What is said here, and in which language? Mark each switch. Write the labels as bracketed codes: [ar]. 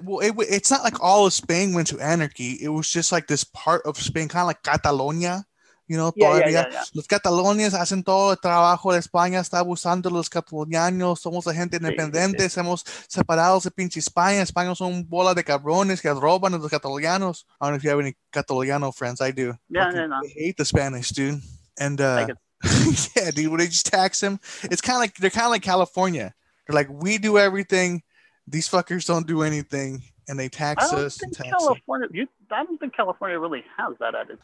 [en] Well, it's not like all of Spain went to anarchy. It was just like this part of Spain, kind of like Catalonia. [es] You know, los catalones hacen todo el trabajo de España, está abusando los catalanos, somos la gente independiente, somos separados de pinche España, españoles son bola de cabrones que roban a los catalanos. [en] I don't know if you have any catalano friends, I do. Yeah, I hate the Spanish, dude. And yeah, dude, when they just tax them, it's kind of like, they're kind of like California. They're like, we do everything, these fuckers don't do anything. And they tax us. I don't think California really has that added.